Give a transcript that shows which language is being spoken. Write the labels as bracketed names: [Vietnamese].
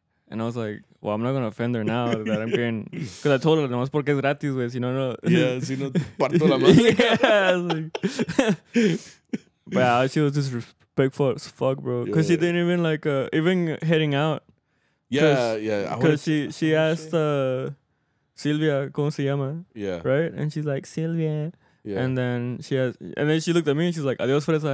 [English] And I was like, well, I'm not going to offend her now that I'm getting... Because I told her, [Spanish] nomás porque es gratis, güey, si no, no... Yeah, si no, parto la madre. [English] But yeah, she was disrespectful as fuck, bro. Because she didn't even, like, even heading out. Yeah. Because she asked Silvia, [Spanish] ¿cómo se llama? [English] Yeah. Right? And she's like, Silvia... Yeah. And then she looked at me and she's like, [Spanish] adios, fresa.